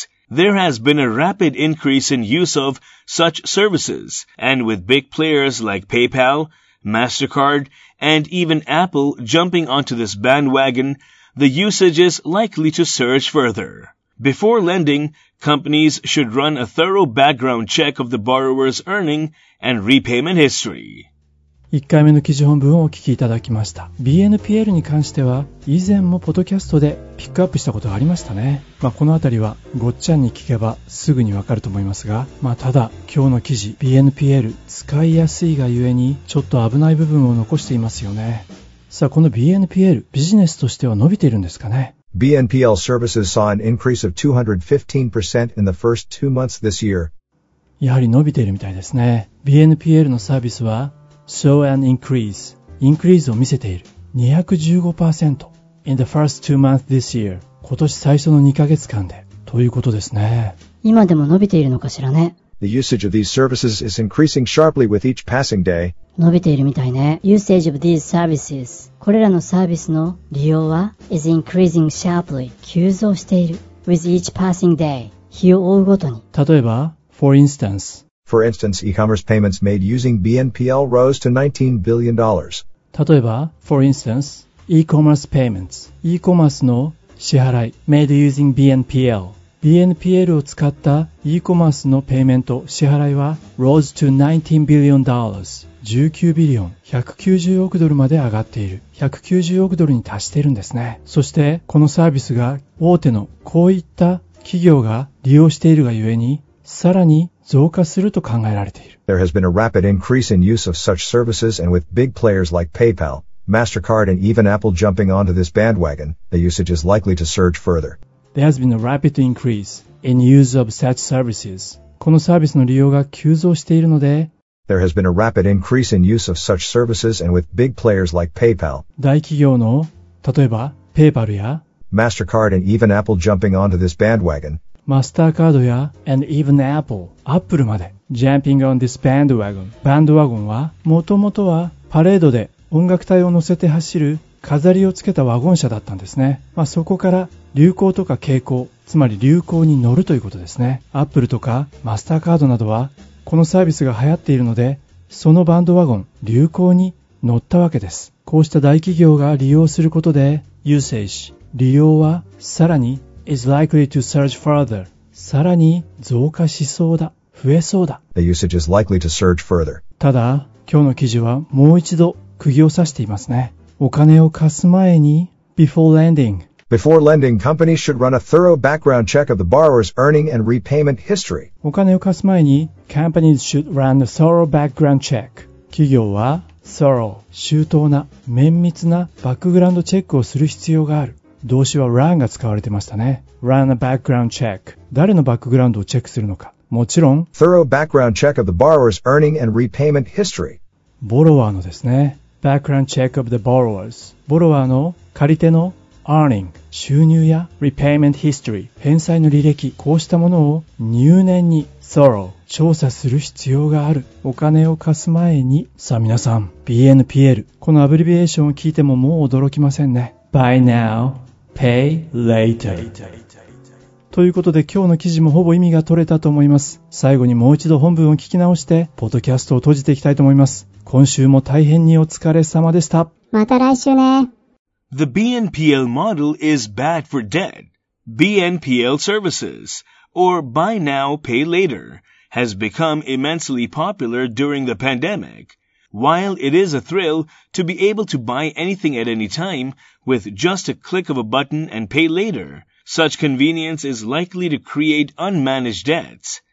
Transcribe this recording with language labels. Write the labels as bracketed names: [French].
[English] There has been a rapid increase in use of such services, and with big players like PayPal, MasterCard, and even Apple jumping onto this bandwagon, the usage is likely to surge further. Before lending, companies should run a thorough background check of the borrower's earning and repayment history. [Japanese] 1回目の記事本文をお聞きいただきました。BNPL に関しては、以前もポッドキャストでピックアップしたことがありましたね。まあ、このあたりはごっちゃんに聞けばすぐにわかると思いますが、まあ、ただ今日の記事、BNPL 使いやすいがゆえにちょっと危ない部分を残していますよね。さあ、この BNPL、ビジネスとしては伸びているんですかね? [English] BNPL services saw an increase of 215% in the first two months this year. [Japanese] やはり伸びているみたいですね。 BNPL のサービスは [English] saw an increase. [Japanese] インクリーズを見せている。 [English] 215% in the first two months this year. [Japanese] 今年最初の2ヶ月間で。ということですね。今でも伸びているのかしらね。 [English] The usage of these services is increasing sharply with each passing day. [Japanese] 伸びているみたいね。 [English] Usage of these services. [Japanese] これらのサービスの利用は [English] is increasing sharply. [Japanese] 急増している。 [English] With each passing day. [Japanese] 日を追うごとに。例えば、 [English] for instance. For instance, e-commerce payments made using BNPL rose to $19 billion. [Japanese] 例えば、 [English] for instance, e-commerce payments. e-commerce [Japanese] の支払い [English] made using BNPL. [Japanese] BNPL を使った e-commerce のペイメント支払いは [English] rose to $19 billion 19 billion [Japanese] 190億ドルまで上がっている190億ドルに達しているんですね。そしてこのサービスが大手のこういった企業が利用しているがゆえにさらに増加すると考えられている。 [English] There has been a rapid increase in use of such services and with big players like PayPal, MasterCard and even Apple jumping onto this bandwagon, the usage is likely to surge further. There has been a rapid increase in use of such services. [Japanese] このサービスの利用が急増しているので、 [English] There has been a rapid increase in use of such services and with big players like PayPal. [Japanese] 大企業の、例えば、PayPal や、 [English] MasterCard and even Apple jumping onto this bandwagon. [Japanese] マスターカードや、 [English] and even Apple, [Japanese] Apple まで、 [English] jumping on this bandwagon. [Japanese] バンドワゴンは、もともとは、パレードで音楽隊を乗せて走る、飾りをつけたワゴン車だったんですね。まあそこから流行とか傾向、つまり流行に乗るということですね。アップルとかマスターカードなどはこのサービスが流行っているので、そのバンドワゴン、流行に乗ったわけです。こうした大企業が利用することで、usage、利用はさらに、 [English] is likely to surge further。 [Japanese] さらに増加しそうだ。増えそうだ。 [English] The usage is likely to surge further. [Japanese] ただ、今日の記事はもう一度、釘を刺していますね。お金を貸す前に、 [English] before lending。 Before lending, companies should run a thorough background check of the borrower's earning and repayment history. [Japanese] お金を貸す前に、 [English] companies should run a thorough background check. [Japanese] 企業は、thorough、周到な、綿密なバックグラウンドチェックをする必要がある。動詞は run が使われてましたね。 [English] run a background check。 [Japanese] 誰のバックグラウンドをチェックするのか。もちろん、 [English] thorough background check of the borrower's earning and repayment history。 [Japanese] ボロワーのですね。 [English] background check of the borrowers。 [Japanese] ボロワーの借り手の earning、収入や [English] repayment history、 [Japanese] 返済の履歴、こうしたものを入念に thorough、調査する必要がある。お金を貸す前に、さあ皆さん、BNPL、このアブリビエーションを聞いてももう驚きませんね。 [English] buy now, pay later。 [Japanese] ということで今日の記事もほぼ意味が取れたと思います。最後にもう一度本文を聞き直して、ポッドキャストを閉じていきたいと思います。今週も大変にお疲れ様でした。また来週ね。 [English] The BNPL model is bad for debt. BNPL services, or buy now, pay later, has become immensely popular during the pandemic. While it is a thrill to be able to buy anything at any time with just a click of a button and pay later, such convenience is likely to create unmanaged debts.